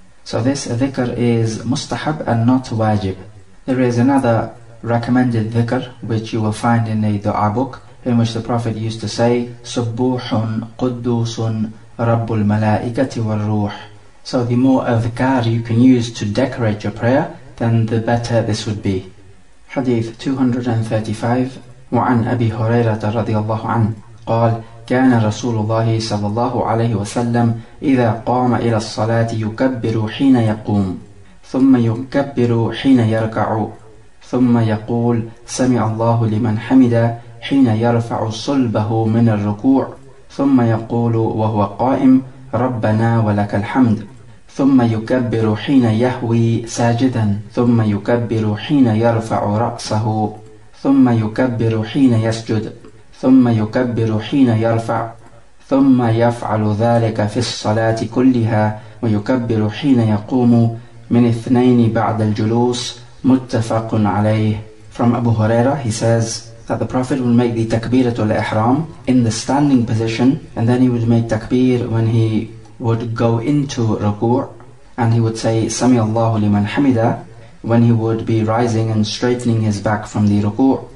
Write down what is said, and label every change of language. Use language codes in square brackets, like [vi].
[en] So this dhikr is mustahab and not wajib. There is another recommended dhikr which you will find in a dua book, in which the Prophet used to say, [ar] Subbuhun Quddusun Rabbul Malaikati Wal Ruh. [en] So the more adhkar you can use to decorate your prayer, then the better this would be. Hadith 235. [ar] وعن أبي هريرة رضي الله عنه قال كان رسول الله صلى الله عليه وسلم إذا قام إلى الصلاة يكبر حين يقوم ثم يكبر حين يركع ثم يقول سمع الله لمن حمدا حين يرفع صلبه من الركوع ثم يقول وهو قائم ربنا ولك الحمد ثم يكبر حين يهوي ساجدا ثم يكبر حين يرفع رأسه ثم يكبر حين يسجد ثم يكبر حين يرفع ثم يفعل ذلك في الصلاة كلها ويكبر حين يقوم من اثنين بعد الجلوس متفق عليه. [en] From Abu Huraira, he says that the Prophet would make the takbiratul ihram in the standing position, and then he would make takbir when he would go into ruku', and he would say [ar] Sami Allahu liman hamida [en] when he would be rising and straightening his back from the ruku'.